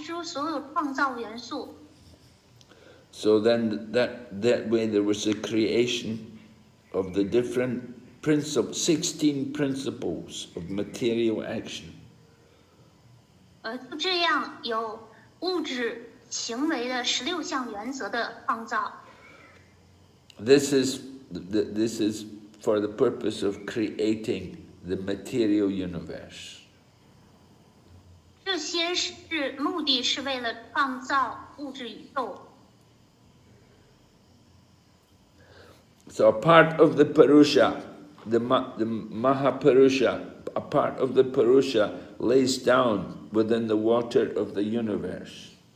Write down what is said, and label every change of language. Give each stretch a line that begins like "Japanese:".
Chinese: 之后他又展示出所有创造元素,
English: so then that way there was a creation of the different principles, 16 principles of material action.
Chinese: 就这样有 物质行为的16项原则的创造.
English: This is for the purpose of creating the material universe.
Chinese: 这些目的是为了创造物质宇宙.
English: So a part of the Purusha, the Mahapurusha, a part of the Purusha lays down within the water of the universe.